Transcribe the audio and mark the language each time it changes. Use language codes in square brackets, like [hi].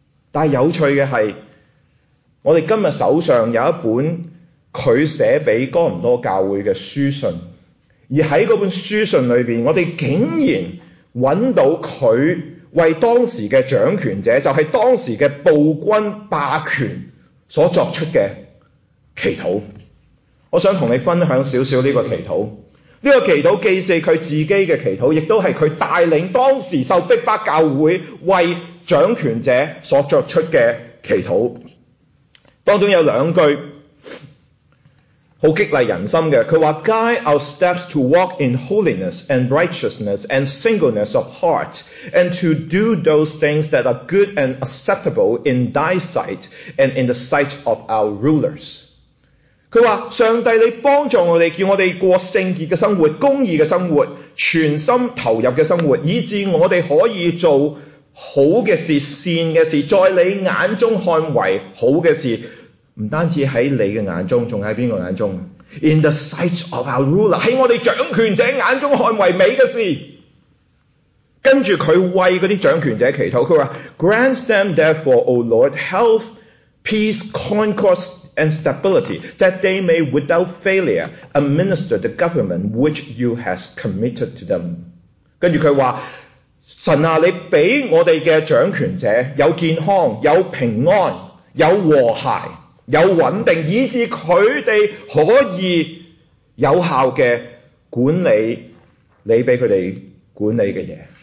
[zh] 但是有趣的是，我们今天手上有一本他写给哥林多教会的书信，而在那本书信里面，我们竟然找到他为当时的掌权者，就是当时的暴君霸权所作出的祈祷。我想跟你分享一点这个祈祷，这个祈祷既是他自己的祈祷，也都是他带领当时受逼迫教会为掌权者所作出的祈祷。当中有两句很激励人心的，他说 [en] Guide our steps to walk in holiness and righteousness and singleness of heart and to do those things that are good and acceptable in thy sight and in the sight of our rulers。 [zh] 他说上帝你帮助我们，叫我们过圣洁的生活，公义的生活，全心投入的生活，以致我们可以做好的事，善的事，在你眼中看为好的事，不单止在你的眼中，还在哪个眼中？ [en] In the sight of our ruler， [zh] 在我们掌权者眼中看为美的事。跟着他为那些掌权者祈祷，他说 [en] Grant them therefore, O Lord, health, peace, concord,and stability, that they may without failure administer the government which you has committed to them. [zh] 跟着他说，神啊，你给我们的掌权者有健康，有平安，有和谐，有稳定，以致他们可以有效的管理你给他们管理的东西。